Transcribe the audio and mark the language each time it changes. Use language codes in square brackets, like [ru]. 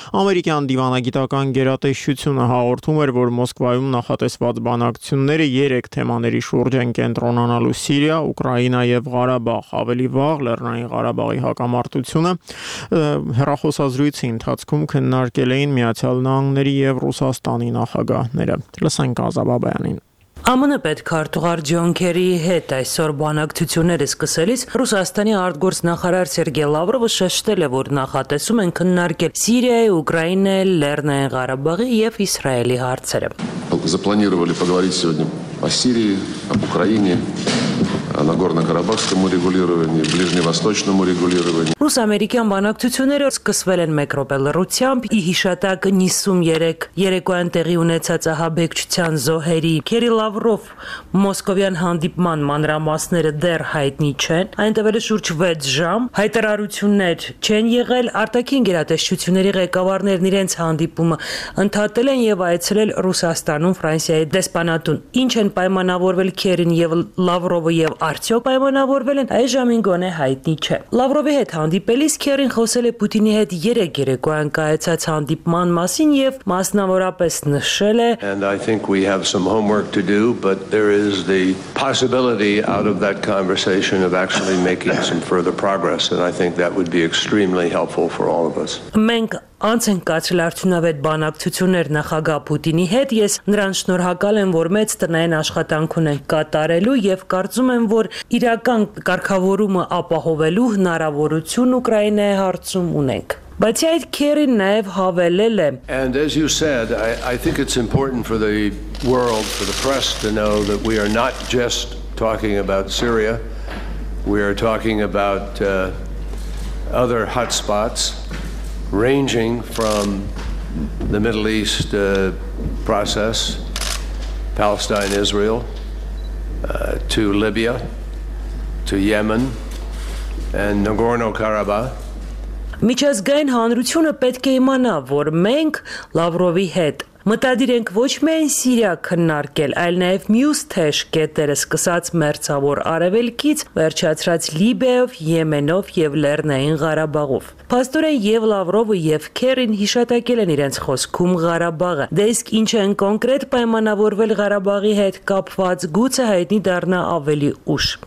[hy] ամերիկյան դիվանագիտական գերատեսչությունը հաղորդում էր, որ Մոսկվայում նախատեսված բանակցությունները երեք թեմաների շուրջ են կենտրոնանալու՝ Սիրիա, Ուկրաինա և Ղարաբաղ, ավելի վաղ Լեռնային Ղարաբաղի հակամարտությունը հեռախոսազրույցի ընթացքում քննարկել էին Միացյալ Նահանգների և Ռուսաստանի նախագահները։ Լսենք Ազա Բաբայանին։ ԱՄՆ պետքարտուղար Ջոն Քերիի հետ այսօր բանակցությունները սկսելիս Ռուսաստանի արտգործնախարար Սերգեյ Լավրովը շեշտել է, որ նախատեսում են քննարկել Սիրիայի, Ուկրաինայի, Լեռնային Ղարաբաղի և Իսրայելի հարցերը։ [ru] Запланировали поговорить сегодня о Сирии, об Украине, о Нагорно-Карабахском урегулировании, Ближневосточном урегулировании. [hy] Ռուս-ամերիկյան բանակցությունները սկսվել են մեկ րոպե լռությամբ ի հիշատակ 53 երեկոյան տեղի ունեցած ահաբեկչության զոհերի։ Քերի Լավրով մոսկովյան հանդիպման մանրամասները դեռ հայտնի չեն, այն տևել է շուրջ 6 ժամ, հայտարարություններ չեն եղել, արտաքին գերատեսչությունների ղեկավարներն իրենց հանդիպումը ընդհատել են և այցելել Ռուսաստանում Ֆրանսիայի դեսպանատուն։ Ինչ են պայմանավորվել Քերին և Լավրովը և արդյոք պայմանավորվել են, այս ժամին գոնե հայտնի չէ։ Լավրովի հետ հանդիպելիս Քերին խոսել է Պուտինի հետ 3 երեկոյան կայացած հանդիպման մասին և մասնավորապես նշել է. [en] And I think we have some homework to do, but there is the possibility out of that conversation of actually making some further progress, and I think that would be extremely helpful for all of us. [hy] Մենք անց ենք կացել արդյունավետ բանակցություններ նախագահ Պուտինի հետ, ես նրան շնորհակալ եմ, որ մեծ տնային աշխատանք ունենք կատարելու և կարծում եմ, որ իրական կարգավորումը ապահովելու հնարավորություն Ուկրաինայի հարցում ունենք։ Բացի այդ, Քերին նաև հավելել է. [en] And as you said, I think it's important for the world, for the press to know that we are not just talking about Syria. We are talking about other hot spots ranging from the Middle East process, Palestine, Israel, to Libya, to Yemen, and Nagorno-Karabakh. [hy] Միջազգային հանրությունը պետք է իմանա, որ մենք Լավրովի հետ մտադիր ենք ոչ միայն Սիրիա քննարկել, այլ նաև մյուս թեժ կետերը սկսած մերձավոր արևելքից, վերջացրած Լիբիայով, Եմենով և Լեռնային Ղարաբաղով։ Փաստորեն և Լավրովը և Քերին հիշատակել են իրենց խոսքում Ղարաբաղը, դե իսկ ինչ են կոնկրետ պայմանավորվել Ղարաբաղի հետ կապված, գուցե հայտնի դառնա ավելի ուշ։